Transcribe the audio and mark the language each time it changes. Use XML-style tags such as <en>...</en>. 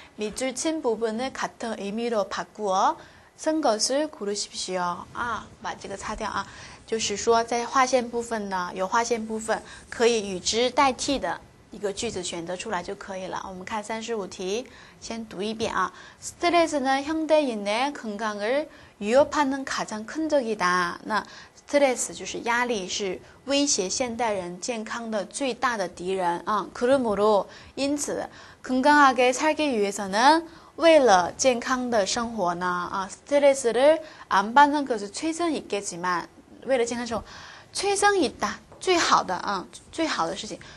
<ko>미주친부분을같은의미로바꾸어선것을고르십시오，</ko> <zh>把这个擦掉啊，就是说在划线部分呢，有划线部分可以与之代替的一个句子选择出来就可以了。我们看35题，先读一遍啊。</zh> <ko>스트레스는현대인의건강을위협하는가장큰적이다。</ko> <zh>那stress 就是压力，是威胁现代人健康的最大的敌人啊。</zh> <ko>그러므로，</ko> <zh>因此，</zh> <ko>건강하게살기위해서는，</ko> <zh>为了健康的生活呢啊。 stress</zh> <ko>를안받는것은최선이겠지만，</ko> <zh>为了健康生活，</zh> <ko>최선이다，</ko> <zh>最好的啊，最好的事情。</zh>